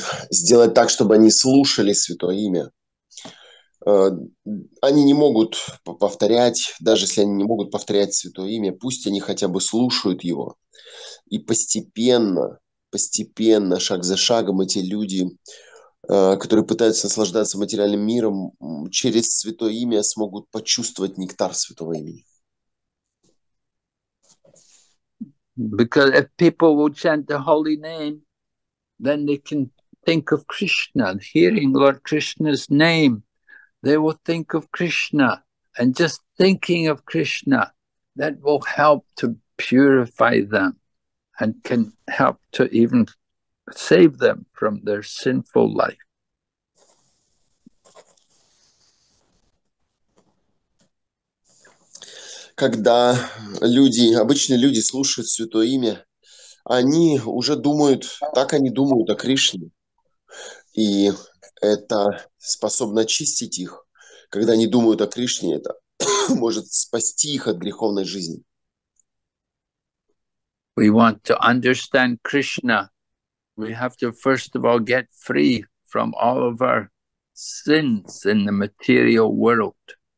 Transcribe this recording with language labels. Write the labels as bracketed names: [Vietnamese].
[Russian] Сделать так, чтобы они слушали святое имя. Они не могут повторять, даже если они не могут повторять святое имя, пусть они хотя бы слушают его. И постепенно, постепенно, шаг за шагом, эти люди, которые пытаются наслаждаться материальным миром, через святое имя смогут почувствовать нектар святого имени. [English] Because if people will chant the holy name, then they can think of Krishna, hearing Lord Krishna's name. They will think of Krishna, and just thinking of Krishna, that will help to purify them and can help to even save them from their sinful life. [Russian] Когда люди, обычные люди слушают святое имя, они уже думают, так они думают о Кришне. И это способно очистить их. Когда они думают о Кришне, это может спасти их от греховной жизни. [English] We want to understand Krishna. We have to first of all get free from all of our sins in the material world.